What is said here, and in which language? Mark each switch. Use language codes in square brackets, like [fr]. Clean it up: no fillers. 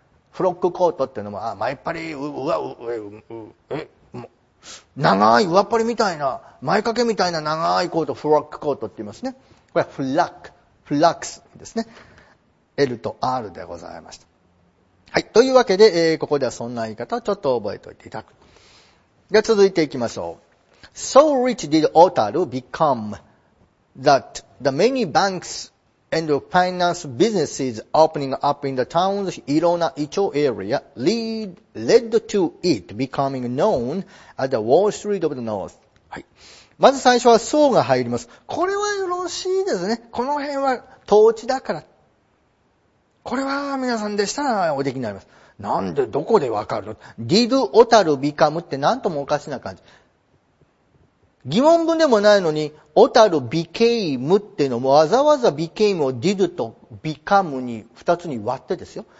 [ja] フロックコートっていうのも、あ、前っ張り、長い上っ張りみたいな、前掛けみたいな長いコート、フロックコートって言いますね。これはフラック、フラックスですね。L と R でございました。はい。というわけで、ここではそんな言い方をちょっと覚えておいていただく。じゃ続いていきましょう。 [en] So rich did Otaru become that the many banks and finance businesses opening up in the town's Irona Icho area led to it becoming known as the Wall Street of the North. [ja] はい。まず最初は So が入ります。これはよろしいですね。この辺は統治だから。これは皆さんでしたらお出来になります。なんでどこでわかるの？ [en] Did Otaru become [ja] ってなんともおかしな感じ。疑問文でもないのに、オタル・ビケイムっていうのも、わざわざビケイムをディドとビカムに二つに割ってですよ。